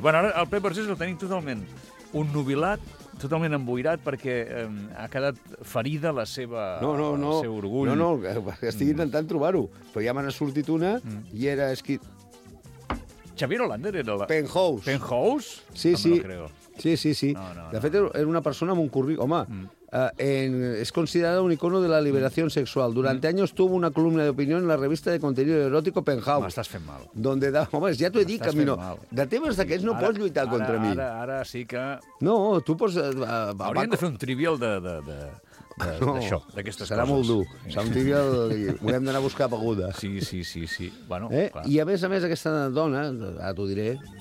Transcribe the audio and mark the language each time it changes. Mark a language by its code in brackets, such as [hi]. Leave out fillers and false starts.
[ca] Bueno, ara el Pep Vergés el tenim totalment unnubilat, totalment emboirat, perquè ha quedat ferida la seva, el seu orgull. No, estic intentant trobar-ho, però ja me n'ha sortit una i era escrit... Xavier Olander era la... Penthouse. Penthouse? Sí, no sí. [es] No me lo creo. [ca] Sí. No, de fet, era una persona amb un currículum... Home... [es] Es considerada un icono de la liberación sexual. Durante años tuvo una columna de opinión en la revista de contenido erótico Penthouse. [ca] M'estàs fent mal. [es] Donde da... [ca] Home, ja t'ho he dit, Camino. De temes d'aquests no pots lluitar contra mi. Ara sí que... No, tu pots... Hauríem de fer un trivial de... No, d'això, d'aquestes coses. Serà molt dur. Serà un trivial... Haurem d'anar a buscar beguda. Sí. Bueno, I a més, aquesta dona, ara t'ho diré...